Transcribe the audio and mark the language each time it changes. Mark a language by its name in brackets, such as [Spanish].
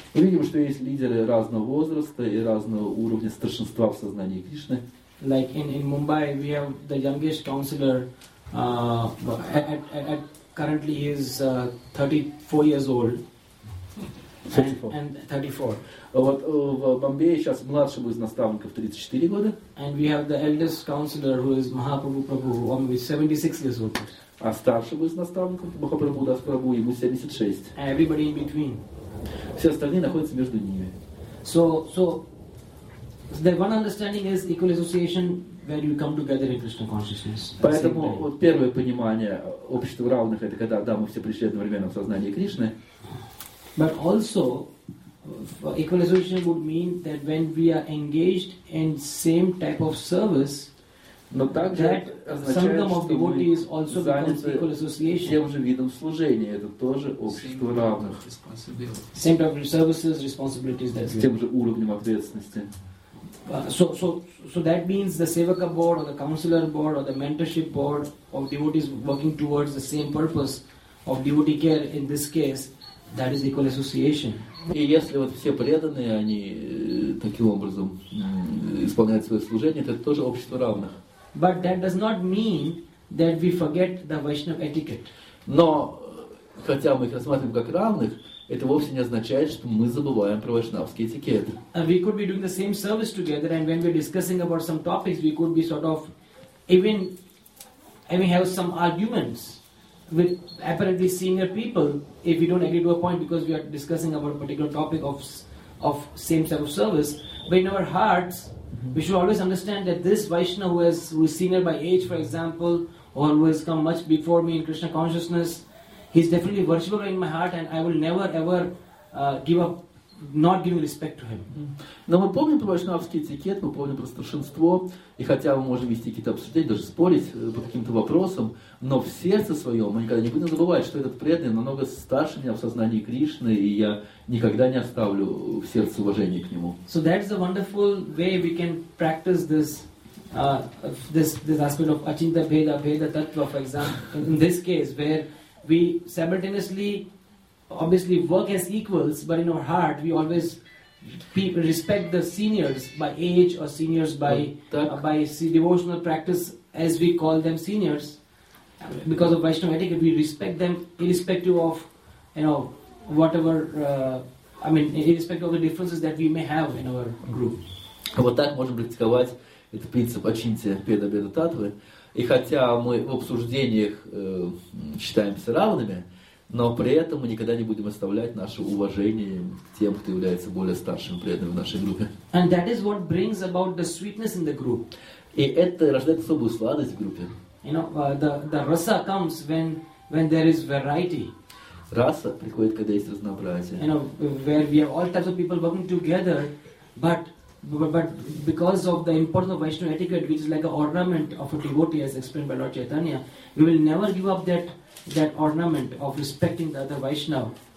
[Russian] Мы видим, что есть лидеры разного возраста и разного уровня старшинства в сознании Кришны. [English] Like in Mumbai, we have the youngest counselor at currently is 34 years old. And 34. [Russian] Вот в Бомбее сейчас младшему из наставников 34 года. [English] And we have the eldest counselor who is Mahaprabhu Prabhu, who is 76 years old. [Russian] А старшему из наставников Махапрабху Дас Прабху ему 76. [English] And everybody in between. [Russian] Все остальные находятся между ними. [English] So the one understanding is equal association where you come together in Krishna consciousness. [Russian] Поэтому вот первое понимание общества равных это когда мы все пришли одновременно в сознание Кришны. [English] But also, equal association would mean that when we are engaged in same type of service, that sangam of devotees also becomes equal association. [Russian] Тем же видом служения, это тоже общество равных. [English] Same type of services, responsibilities. That [Russian] с тем же уровнем ответственности. [English] So that means the sevaka board or the counselor board or the mentorship board of devotees working towards the same purpose of devotee care in this case. That is equal association. [Russian] И если вот все преданные, они таким образом исполняют свое служение, то это тоже общество равных. [English] But that does not mean that we forget the Vaishnava etiquette. [Russian] Но хотя мы их рассматриваем как равных, это вовсе не означает, что мы забываем про вайшнавский этикет. [English] We could be doing the same service together, and when we're discussing about some topics, we could be sort of even have some arguments with apparently senior people if we don't agree to a point because we are discussing about a particular topic of same type of service. But in our hearts, we should always understand that this Vaishnava who is senior by age, for example, or who has come much before me in Krishna consciousness, he's definitely worshipable in my heart and I will never ever give up not giving respect to him. [Russian] Но мы помним про вайшнавский этикет, мы помним про старшинство, и хотя мы можем вести какие-то обсуждения, даже спорить по каким-то вопросам, но в сердце своем мы никогда не будем забывать, что этот преданный намного старше меня в сознании Кришны, и я никогда не оставлю в сердце уважения к нему. [English] So that's the wonderful way we can practice this this aspect of Achinta Bheda, Bheda Tattva, for example, in this case, where we simultaneously obviously work as equals, but in our heart we always respect the seniors by age or seniors by devotional practice, as we call them seniors, because of Vaishnava etiquette we respect them irrespective of irrespective of the differences that we may have in our group. [Russian] Вот так можно практиковать этот принцип Ачинтья Бхеда Бхеда Таттвы, и хотя мы в обсуждениях считаемся равными, но при этом мы никогда не будем оставлять наше уважение к тем, кто является более старшим преданным в нашей группе. [English] And that is what brings about the sweetness in the group. [Russian] И это рождает особую сладость в группе. [English] The rasa comes when there is variety. [Russian] Раса приходит, когда есть разнообразие. [English] Where we have all types of people working together, but because of the importance of Vaishnava etiquette, which is like an ornament of a devotee, as explained by Lord Chaitanya, we will never give up that ornament of respecting the other Vaishnava.